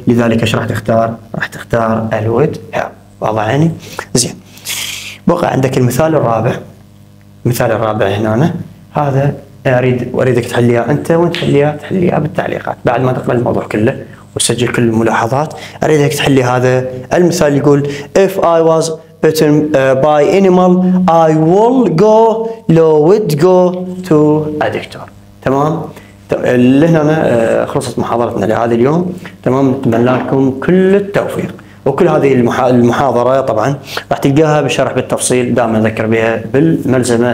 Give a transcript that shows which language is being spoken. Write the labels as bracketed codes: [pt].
[ar] لذلك ايش راح تختار؟ راح تختار الود هاب. واضح يعني؟ زين بقى عندك المثال الرابع. المثال الرابع هنا هذا اريدك تحليها انت، وانت تحليها بالتعليقات بعد ما تقبل الموضوع كله وتسجل كل الملاحظات. اريدك تحلي هذا المثال. [en] يقول if I was bitten by animal I will go لو would go to a doctor. [ar] تمام لهنا خلصت محاضرتنا لهذا اليوم. تمام نتمنى لكم كل التوفيق، وكل هذه المحاضره طبعا راح تلقاها بالشرح بالتفصيل، دائما اذكر بها بالملزمه.